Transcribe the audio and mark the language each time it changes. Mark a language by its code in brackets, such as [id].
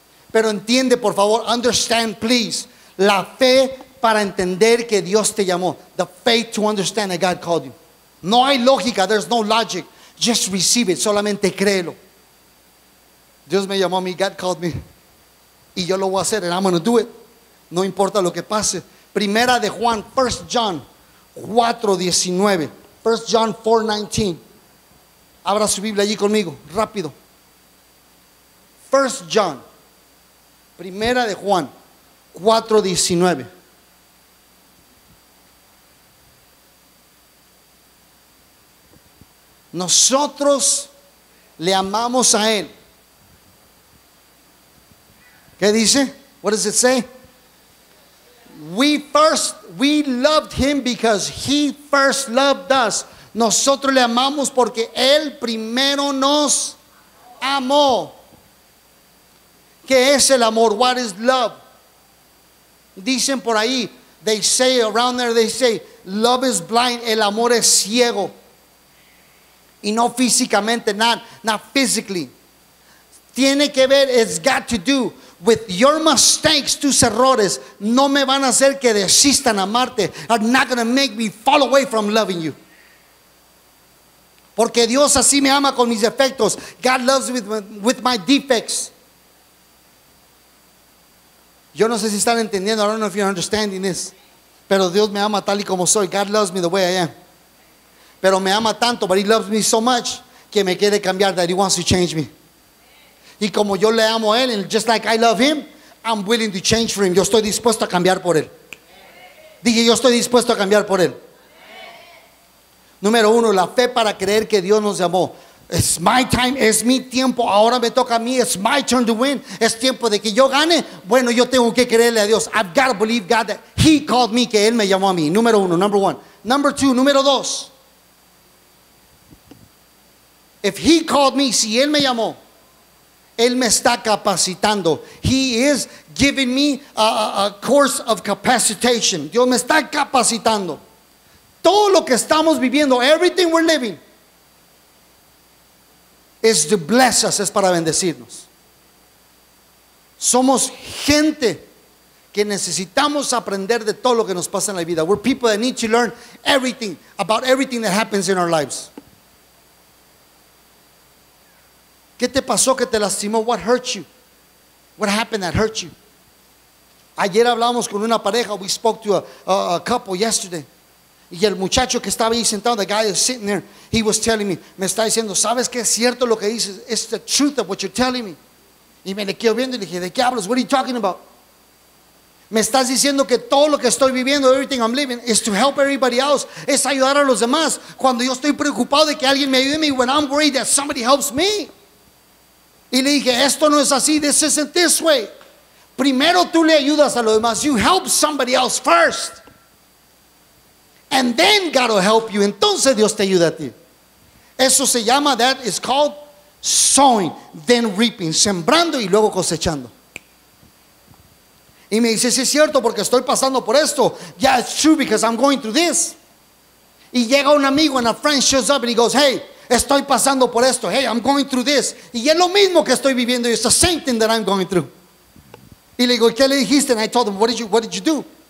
[es] Pero entiende, por favor, [en] understand, please, [es] la fe para entender que Dios te llamó. [en] The faith to understand that God called you. [es] No hay lógica, [en] there's no logic. Just receive it, [es] solamente créelo. Dios me llamó a mí, [en] God called me. [es] Y yo lo voy a hacer, [en] and I'm going to do it. [es] No importa lo que pase. Primera de Juan, 1 John 4:19. Abra su Biblia allí conmigo, rápido. 1 John. Primera de Juan, 4:19. Nosotros le amamos a Él. ¿Qué dice? [en] What does it say? We loved Him because He first loved us. [es] Nosotros le amamos porque Él primero nos amó. ¿Qué es el amor? [en] What is love? [es] Dicen por ahí, [en] they say around there, they say, love is blind, [es] el amor es ciego. Y no físicamente, [en] not physically. [es] Tiene que ver, [en] it's got to do with your mistakes, [es] tus errores, no me van a hacer que desistan amarte. [en] Are not going to make me fall away from loving you. [es] Porque Dios así me ama con mis defectos. [en] God loves me with my defects. [es] Yo no sé si están entendiendo, [en] I don't know if you're understanding this. [es] Pero Dios me ama tal y como soy. [en] God loves me the way I am. [es] Pero me ama tanto, [en] but He loves me so much, [es] que me quiere cambiar, [en] that He wants to change me. [es] Y como yo le amo a Él, [en] and just like I love Him, I'm willing to change for Him. [es] Yo estoy dispuesto a cambiar por Él. Dije, yo estoy dispuesto a cambiar por Él. Número uno, la fe para creer que Dios nos llamó. [en] It's my time, [es] es mi tiempo, ahora me toca a mí. [en] It's my turn to win. [es] Es tiempo de que yo gane. Bueno, yo tengo que creerle a Dios. [en] I've got to believe God that He called me, [es] que Él me llamó a mí. Número uno, [en] number one. Number two, [es] número dos. [en] If He called me, [es] si Él me llamó, Él me está capacitando. [en] He is giving me a course of capacitation. [es] Dios me está capacitando. Todo lo que estamos viviendo, [en] everything we're living, is to bless us, [es] es para bendecirnos. Somos gente que necesitamos aprender de todo lo que nos pasa en la vida. [en] We're people that need to learn everything, about everything that happens in our lives. [es] ¿Qué te pasó que te lastimó? [en] What hurt you? What happened that hurt you? [es] Ayer hablamos con una pareja. [en] We spoke to a couple yesterday. [es] Y el muchacho que estaba ahí sentado, [en] the guy is sitting there, he was telling me, [es] me está diciendo, ¿sabes qué es cierto lo que dices? [en] It's the truth of what you're telling me. [es] Y me le quedo viendo y le dije, ¿de qué hablas? [en] What are you talking about? [es] Me estás diciendo que todo lo que estoy viviendo, [en] everything I'm living, is to help everybody else, [es] es ayudar a los demás. Cuando yo estoy preocupado de que alguien me ayude, [en] when I'm worried that somebody helps me. [es] Y le dije, esto no es así, [en] this isn't this way. [es] Primero tú le ayudas a los demás, [en] you help somebody else first. And then God will help you. [es] Entonces Dios te ayuda a ti. Eso se llama, [en] that is called sowing, then reaping. [es] Sembrando y luego cosechando. Y me dice, sí es cierto porque estoy pasando por esto. [en] Yeah, it's true because I'm going through this. [es] Y llega un amigo, [en] and a friend shows up and he goes, hey, [es] estoy pasando por esto. [en] Hey, I'm going through this. [es] Y es lo mismo que estoy viviendo. [en] It's the same thing that I'm going through. [es] Y le digo, ¿qué le dijiste? [en] And I told him, what did you do?